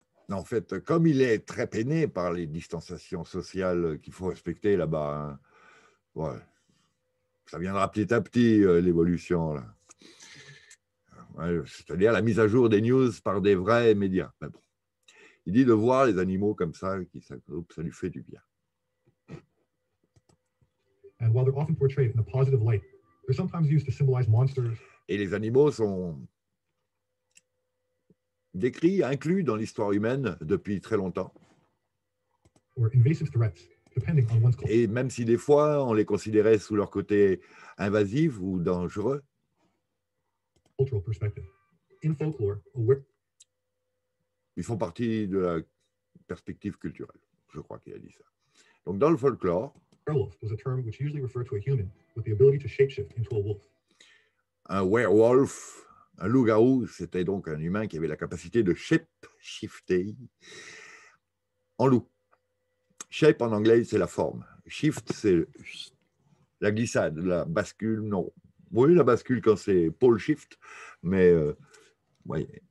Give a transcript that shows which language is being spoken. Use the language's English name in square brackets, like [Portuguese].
[French] En fait, comme il est très peiné par les distanciations sociales qu'il faut respecter là-bas, hein, ouais, ça viendra petit à petit, l'évolution. Là. Ouais, c'est-à-dire la mise à jour des news par des vrais médias. Mais bon, il dit de voir les animaux comme ça, ça lui fait du bien. [English] And while they're often portrayed in a positive light, They're sometimes used to symbolize monsters. [French] Et les animaux sont décrits, inclus dans l'histoire humaine depuis très longtemps. [English] Or invasive threats, depending on one's [French] culture. Et même si des fois on les considérait sous leur côté invasif ou dangereux. [English] Cultural perspective. In folklore, [French] ils font partie de la perspective culturelle, je crois qu'il a dit ça. Donc dans le folklore, [English] werewolf was a term which usually referred to a human with the ability to shapeshift into a wolf. [French] Un werewolf, un loup-garou, c'était donc un humain qui avait la capacité de shape-shifter en loup. Shape en anglais, c'est la forme. Shift, c'est la glissade, la bascule, non. Oui, la bascule quand c'est pole shift, mais oui.